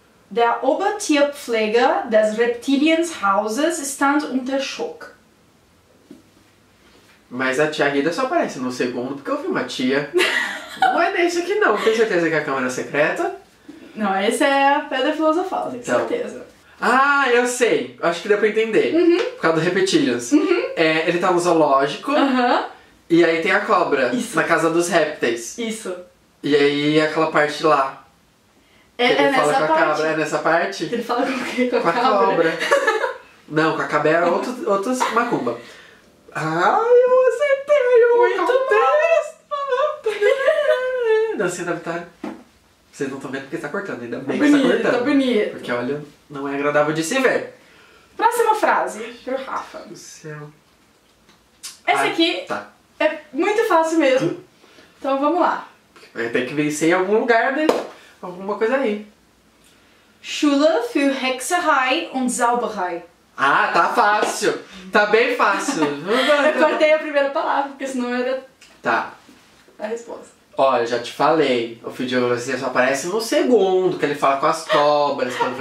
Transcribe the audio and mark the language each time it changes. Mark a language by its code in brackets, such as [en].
[de] Der Obertierpfleger des Reptilienshauses stand unter Schock. [pt] Mas a tia Rita só aparece no segundo, porque eu vi uma tia. Não é desse aqui não, tem certeza que é a Câmara Secreta? Não, esse é a Pedra Filosofal, tem então. Certeza. Ah, eu sei, acho que deu pra entender. Uhum. Por causa do Reptilians. Uhum. É, ele tá no zoológico, uhum. E aí tem a cobra. Isso. Na casa dos répteis. Isso. E aí aquela parte lá. É ele nessa fala com a parte. Cabra, é nessa parte? Ele fala com o quê? Com a cobra. Cobra. Não, com a cabra é outro macumba. Ai, eu acertei! Muito bem! Não, você deve estar... Vocês não estão vendo porque está cortando, ainda bem tá bonito, que está cortando. Tá bonito. Porque, olha, não é agradável de se ver. Próxima frase, pro Rafa. Do céu. Essa aqui tá. É muito fácil mesmo. Então, vamos lá. Vai ter que vencer em algum lugar, né? Alguma coisa aí. [de] Schule für Hexerei und Zauberei. [pt] Ah, tá fácil. Tá bem fácil. Eu cortei a primeira palavra, porque senão era... Tá. A resposta. Olha, já te falei. O vídeo de você só aparece no segundo, que ele fala com as cobras.